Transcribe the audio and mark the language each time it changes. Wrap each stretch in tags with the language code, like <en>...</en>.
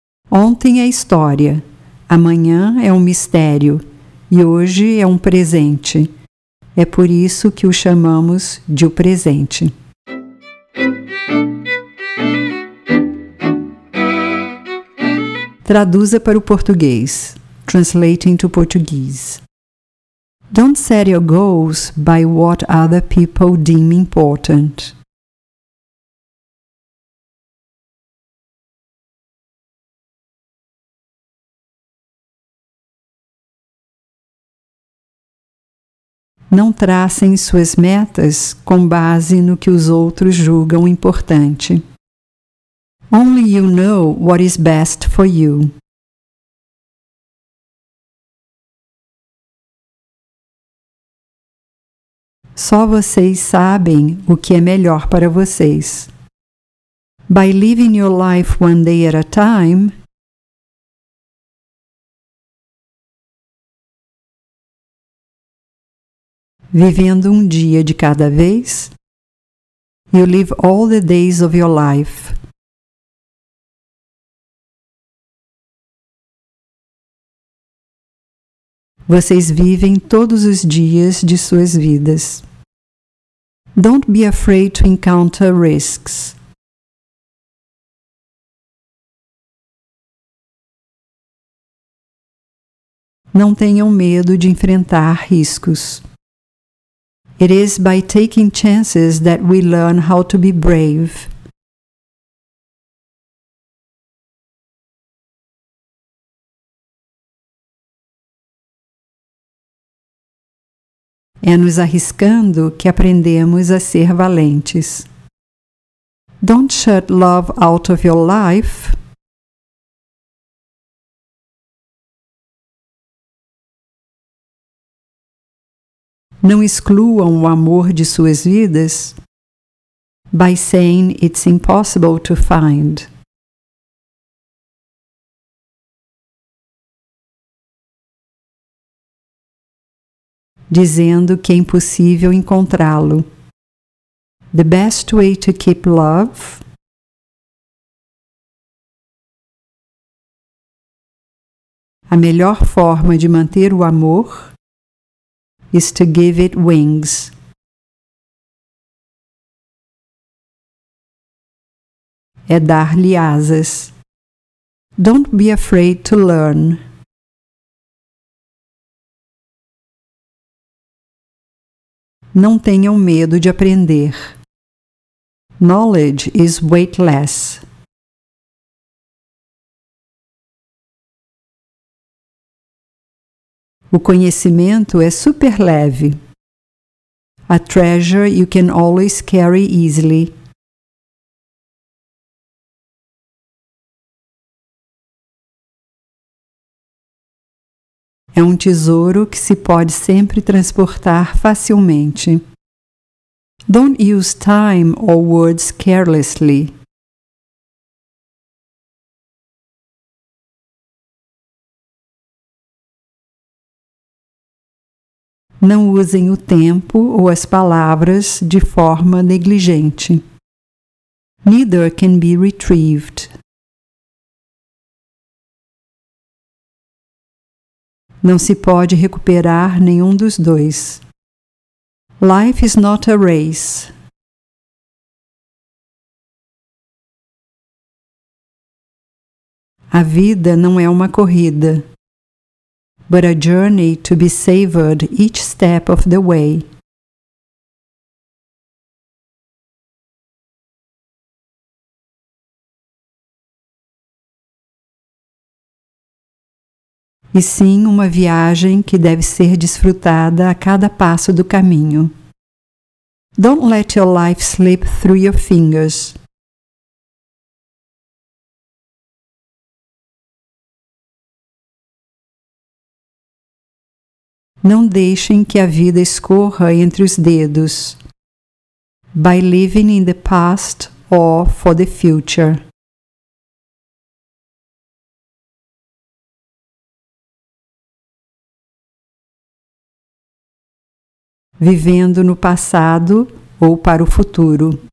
<pt>Ontem é história, amanhã é um mistério, e hoje é um presente. É por isso que o chamamos de o presente. Traduza para o português.</pt> <en>Translate into Portuguese. Don't set your goals by what other people deem important.</en> <pt>Não tracem suas metas com base no que os outros julgam importante.</pt> <en>Only you know what is best for you.</en> <pt>Só vocês sabem o que é melhor para vocês.</pt> <en>By living your life one day at a time,</en> <pt>vivendo um dia de cada vez?</pt> <en>You live all the days of your life.</en> <pt>Vocês vivem todos os dias de suas vidas.</pt> <en>Don't be afraid to encounter risks.</en> <pt>Não tenham medo de enfrentar riscos.</pt> <en>It is by taking chances that we learn how to be brave.</en> <pt>É nos arriscando que aprendemos a ser valentes.</pt> <en>Don't shut love out of your life.</en> <pt>Não excluam o amor de suas vidas</pt> <en>by saying it's impossible to find.</en> <pt>Dizendo que é impossível encontrá-lo.</pt> <en>The best way to keep love</en> <pt>A melhor forma de manter o amor</pt> <en>is to give it wings.</en> <pt>É dar-lhe asas.</pt> <en>Don't be afraid to learn.</en> <pt>Não tenham medo de aprender.</pt> <en>Knowledge is weightless.</en> <pt>O conhecimento é super leve.</pt> <en>A treasure you can always carry easily.</en> <pt>É um tesouro que se pode sempre transportar facilmente.</pt> <en>Don't use time or words carelessly.</en> <pt>Não usem o tempo ou as palavras de forma negligente.</pt> <en>Neither can be retrieved.</en> <pt>Não se pode recuperar nenhum dos dois.</pt> <en>Life is not a race.</en> <pt>A vida não é uma corrida.</pt> <en>But a journey to be savored each step of the way.</en> <pt>E sim uma viagem que deve ser desfrutada a cada passo do caminho.</pt> <en>Don't let your life slip through your fingers.</en> <pt>Não deixem que a vida escorra entre os dedos.</pt> <en>By living in the past or for the future.</en> <pt>Vivendo no passado ou para o futuro.</pt>